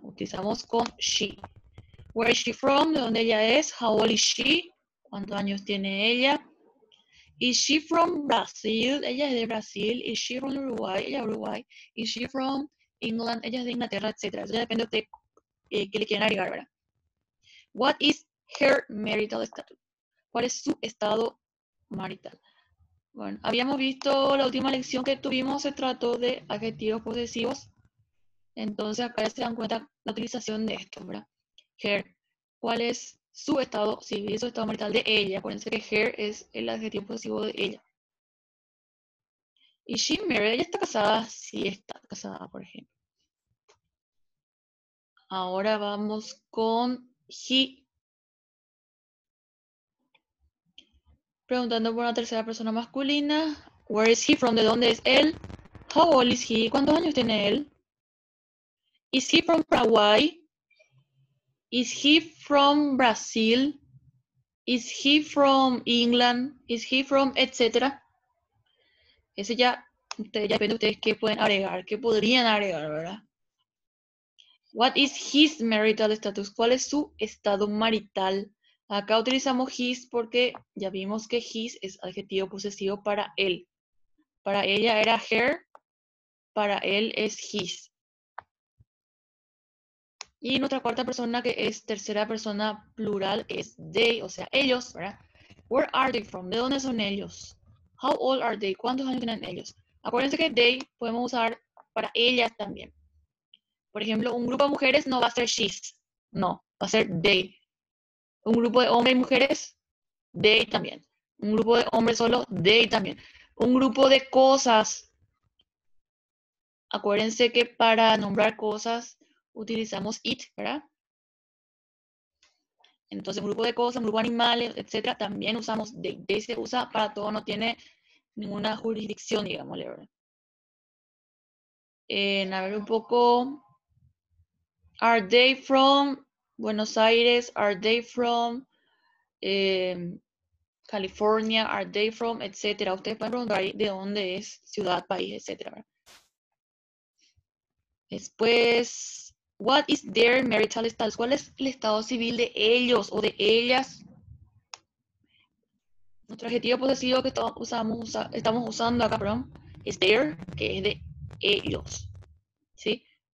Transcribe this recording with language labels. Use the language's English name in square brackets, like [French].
[Spanish] Utilizamos con [English] she. Where is she from? [Spanish] ¿De dónde ella es? [English] How old is she? [Spanish] ¿Cuántos años tiene ella? [English] Is she from Brazil? [Spanish] Ella es de Brasil. [English] Is she from Uruguay? [Spanish] Ella es de Uruguay. [English] Is she from England? [Spanish] Ella es de Inglaterra, etc. Eso ya depende de usted, qué le quieren agregar, ¿verdad? [English] What is her marital status? [Spanish] ¿Cuál es su estado marital? Bueno, habíamos visto la última lección que tuvimos, se trató de adjetivos posesivos. Entonces, acá se dan cuenta la utilización de esto, ¿verdad? Her, ¿cuál es su estado civil, su estado marital de ella? Acuérdense que her es el adjetivo posesivo de ella. ¿Y [English] she married? [Spanish] ¿Ella está casada? Sí, está casada, por ejemplo. Ahora vamos con he. Preguntando por una tercera persona masculina. [English] Where is he from? [Spanish] ¿De dónde es él? [English] How old is he? [Spanish] ¿Cuántos años tiene él? [English] Is he from Paraguay? Is he from Brazil? Is he from England? Is he from etcétera? [Spanish] Ese ya, ustedes, ya depende de ustedes qué pueden agregar, qué podrían agregar, ¿verdad? [English] What is his marital status? [Spanish] ¿Cuál es su estado marital? Acá utilizamos his porque ya vimos que his es adjetivo posesivo para él. Para ella era her, para él es his. Y nuestra cuarta persona, que es tercera persona plural, es they, o sea, ellos, ¿verdad? [English] Where are they from? [Spanish] ¿De dónde son ellos? [English] How old are they? [Spanish] ¿Cuántos años tienen ellos? Acuérdense que they podemos usar para ellas también. Por ejemplo, un grupo de mujeres no va a ser she's, no, va a ser they. Un grupo de hombres y mujeres, they también. Un grupo de hombres solo, they también. Un grupo de cosas. Acuérdense que para nombrar cosas utilizamos it, ¿verdad? Entonces, un grupo de cosas, un grupo de animales, etcétera, también usamos they. They se usa para todo, no tiene ninguna jurisdicción, digámosle, ¿verdad? A ver un poco. [English] Are they from Buenos Aires? Are they from California? Are they from, etcétera. [Spanish] Ustedes pueden preguntar ahí de dónde es, ciudad, país, etcétera, ¿verdad? Después, [English] what is their marital status? [Spanish] ¿Cuál es el estado civil de ellos o de ellas? Nuestro adjetivo posesivo que estamos usando acá, perdón, es their, que es de ellos. ¿Sí?